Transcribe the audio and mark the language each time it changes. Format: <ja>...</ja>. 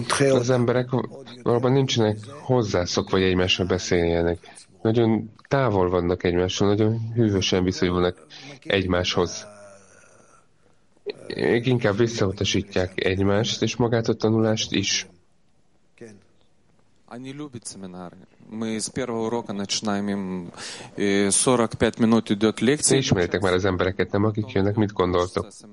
<hu>Az emberek valóban nincsenek hozzászokva, hogy egymásra beszéljenek. Nagyon távol vannak egymásra, nagyon hűvösen viszonyulnak egymáshoz. Még inkább visszautasítják egymást és magát a tanulást is.</hu> <ru>Они любят семинары. Мы с первого урока начинаем им 45 минут идет лекция.</ru> <hu>Ismeritek már az embereket, nem akik jönnek, mit gondoltok?</hu>